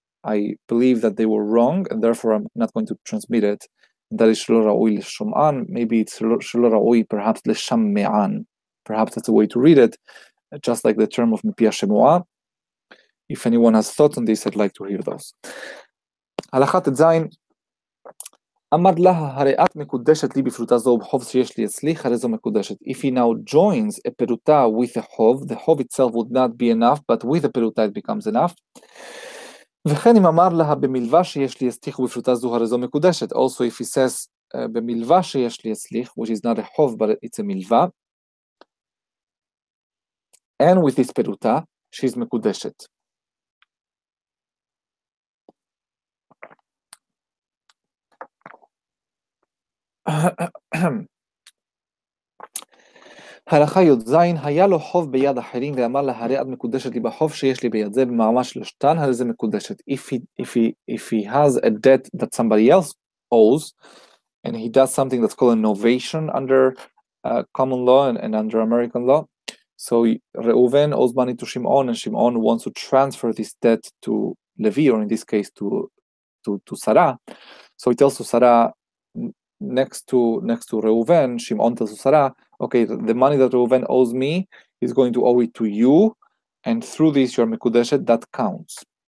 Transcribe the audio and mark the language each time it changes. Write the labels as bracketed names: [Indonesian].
[English] I believe that they were wrong, and therefore I'm not going to transmit it. That is [Hebrew] shelo ra'ui l'shom'an, [English] maybe it's shelo ra'ui, perhaps l'shamme'an. Perhaps that's a way to read it, just like the term of mipia shemu'ah. If anyone has thoughts on this, I'd like to hear those. [Hebrew] הלכת את זין, אמר לה, הרי את מקודשת לי בפרוטה זו, בחוב שיש לי אצליך, הרי זו מקודשת. [English] If he now joins a peruta with a hov, the hov itself would not be enough, but with a peruta it becomes enough. [Hebrew] וכן אם אמר לה, במלווה שיש לי אצליך בפרוטה זו, הרי זו מקודשת. [English] Also if he says, [Hebrew] במלווה שיש לי אצליך, [English] which is not a hov, but it's a מלווה, and with this peruta, she's מקודשת. [Hebrew] הלכה יוד זין, היה לו חוב ביד אחרים ואמר לה, הרי את מקודשת לי בחוב שיש לי ביד זה במעמד של שטן, הרי זה מקודשת. [English] If he has a debt that somebody else owes and he does something that's called a novation under common law and under American law, so Reuven owes money to Shimon and Shimon wants to transfer this debt to Levi, or in this case to Sarah, so he tells to Sarah, next to Reuven, Shimon tells Sarah, okay, the money that Reuven owes me is going to owe it to you, and through this your mekudeshet, that counts.